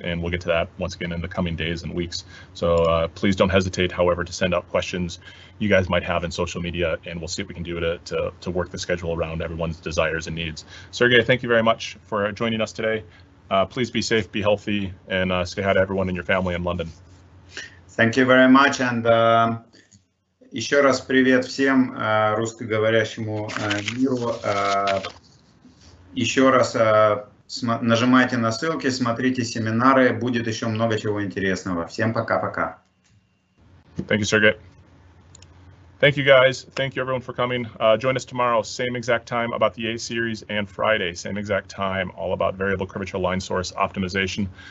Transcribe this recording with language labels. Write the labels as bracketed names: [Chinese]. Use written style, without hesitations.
[English] And we'll get to that once again in the coming days and weeks. So please don't hesitate, however, to send out questions you guys might have in social media, and we'll see if we can do it to work the schedule around everyone's desires and needs. Sergey, thank you very much for joining us today. Please be safe, be healthy, and say hi to everyone in your family in London. Thank you very much. And [Russian] еще раз привет всем русскоговорящему миру. Еще раз нажимайте на ссылки, смотрите семинары, будет еще много чего интересного. Всем пока-пока. [English] Thank you, Sergey. Thank you, guys. Thank you, everyone, for coming. Join us tomorrow, same exact time about the A series, and Friday, same exact time, all about variable curvature line source optimization.